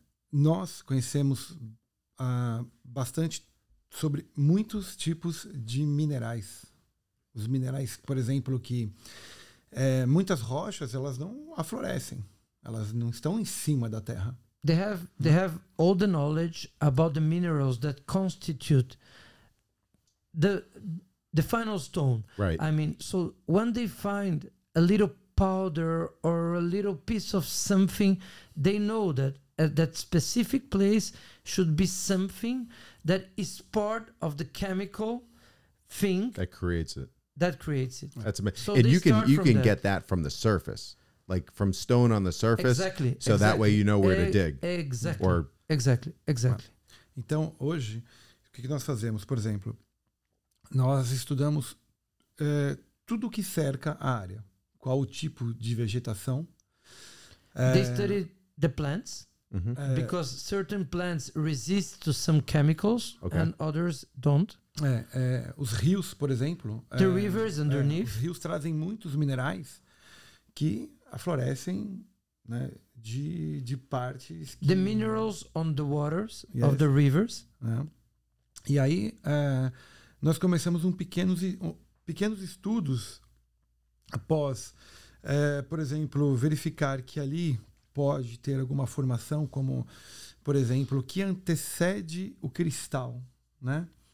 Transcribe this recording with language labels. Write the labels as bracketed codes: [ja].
[pt] Nós conhecemos bastante sobre muitos tipos de minerais. Os minerais, por exemplo, que muitas rochas, elas não aflorescem. Elas não estão em cima da terra. [en] They have all the knowledge about the minerals that constitute the final stone. Right. I mean, so when they find a little powder or a little piece of something, they know that at that specific place should be something that is part of the chemical thing that creates it. That creates it. That's amazing. So and you can get that from the surface, like from stone on the surface. Exactly. So exactly. That way you know where to dig. Exactly. Or exactly. Exactly. [pt] Então hoje, o que nós fazemos, por exemplo? Nós estudamos tudo que cerca a área. Qual o tipo de vegetação. [en] They study the plants. Mm-hmm. Because certain plants resist to some chemicals. Okay. And others don't. [pt] Os rios, por exemplo. [en] The rivers underneath. [pt] Os rios trazem muitos minerais que aflorescem, né, de partes. Que, [en] the minerals on the waters, yes, of the rivers. [pt] Né? E aí... nós começamos pequenos estudos após, por exemplo, verificar que ali pode ter alguma formação, como, por exemplo, o que antecede o cristal, né?